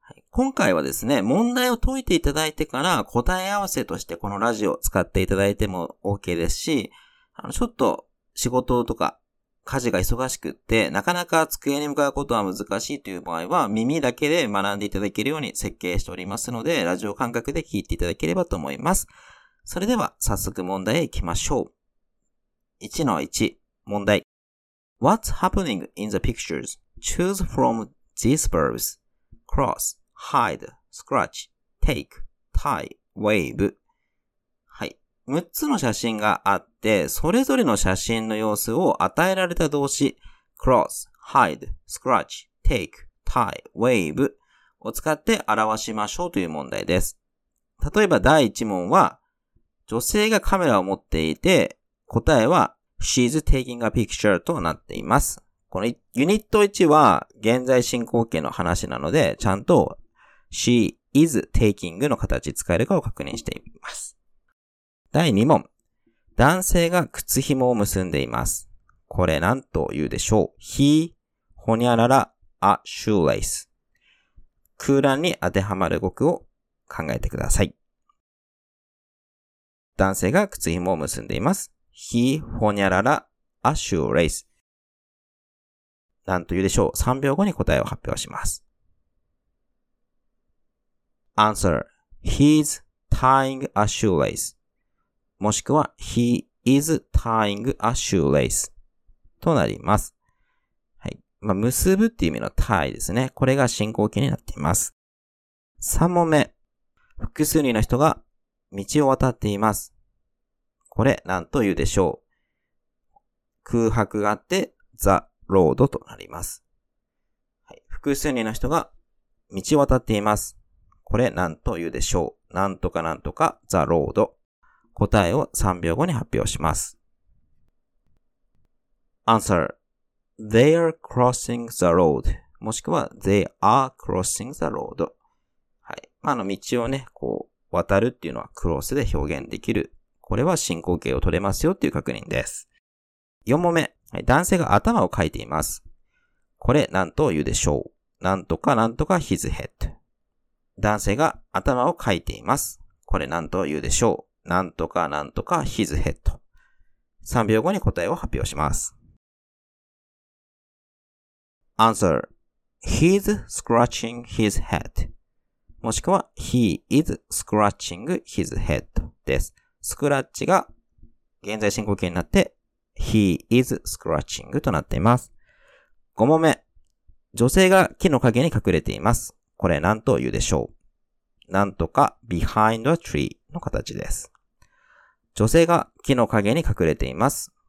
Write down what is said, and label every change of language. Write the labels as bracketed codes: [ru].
[ja] 今回はですね、問題を解いていただいてから答え合わせとしてこのラジオを使っていただいても OK ですし、ちょっと仕事とか家事が忙しくって、なかなか机に向かうことは難しいという場合は、耳だけで学んでいただけるように設計しておりますので、ラジオ感覚で聞いていただければと思います。それでは早速問題へ行きましょう。 1-1 問題。 [en] What's happening in the pictures? Choose from these verbs. Cross, hide, scratch, take, tie, wave. [ja] はい。 6つの写真があって、それぞれの写真の様子を与えられた動詞 [en] cross, hide, scratch, take, tie, wave [ja] を使って表しましょうという問題です。例えば第1問は、女性がカメラを持っていて、答えは [en] She's taking a picture [ja] となっています。このユニット1は現在進行形の話なので、ちゃんと [en] She is taking [ja] の形使えるかを確認しています。第2問。男性が靴紐を結んでいます。これ何と言うでしょう。 [en] He, [ja] ほにゃらら [en] a shoelace。 [ja] 空欄に当てはまる語句を考えてください。男性が靴紐を結んでいます。 [en] He, [ja] ほにゃらら [en] a shoelace。 [ja] 何と言うでしょう。 3秒後に答えを発表します。 [en] Answer. He's tying a shoelace. もしくは He is tying a shoelace. [ja] となります。はい。まあ、結ぶっていう意味の tie ですね。これが進行形になっています。3問目。複数人の人が道を渡っています。これ、何と言うでしょう。空白があって、 [en] The Road [ja] となります、はい。複数人の人が道を渡っています。これ、何と言うでしょう。何とか何とか、 [en] The Road。 [ja] 答えを3秒後に発表します。 [en] Answer. They are crossing the road. もしくは、They are crossing the road。 [ja] はい。まあ、道をね、こう、渡るっていうのは、クロスで表現できる。これは進行形を取れますよっていう確認です。4問目。男性が頭をかいています。これ何と言うでしょう。何とか何とか [en] his head。 [ja] 男性が頭をかいています。これ何と言うでしょう。何とか何とか [en] his head。 [ja] 3秒後に答えを発表します。 [en] Answer. He's scratching his head. もしくは he is scratching his head です。 [ja] スクラッチが現在進行形になって [en] He is scratching [ja] となっています。5問目。女性が木の陰に隠れています。これ何と言うでしょう。なんとか [en] behind a tree [ja] の形です。女性が木の陰に隠れています。